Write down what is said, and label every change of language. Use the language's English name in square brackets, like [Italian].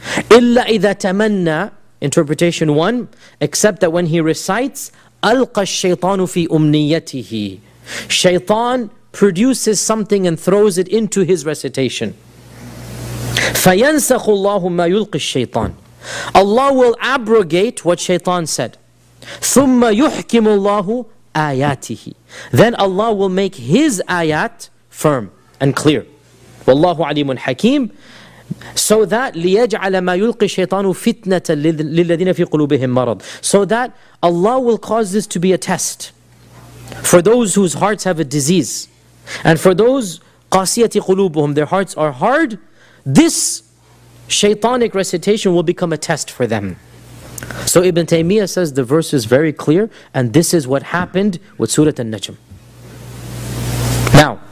[English] Illa idha tamanna, interpretation 1, except that when he recites, alqa shaytanu fi umniyatihi, shaytan produces something and throws it into his recitation. Fayansakhu Allahu ma yulqi shaytan. Allah will abrogate what shaytan said. [Arabic] ثُمَّ يُحْكِمُ اللَّهُ آيَاتِهِ. [English] Then Allah will make his ayat firm and clear. [Arabic] وَاللَّهُ عَلِيمٌ حَكِيمٌ. [English] So that [Arabic] لِيَجْعَلَ مَا يُلْقِي الشَّيْطَانُ فِتْنَةً لِلَّذِينَ فِي قُلُوبِهِمْ مَرَضٍ. [English] So that Allah will cause this to be a test for those whose hearts have a disease. And for those [Arabic] قَاسِيَةِ قُلُوبُهُمْ, [English] their hearts are hard, this shaitanic recitation will become a test for them. So Ibn Taymiyyah says the verse is very clear, and this is what happened with Surah An-Najm. Now,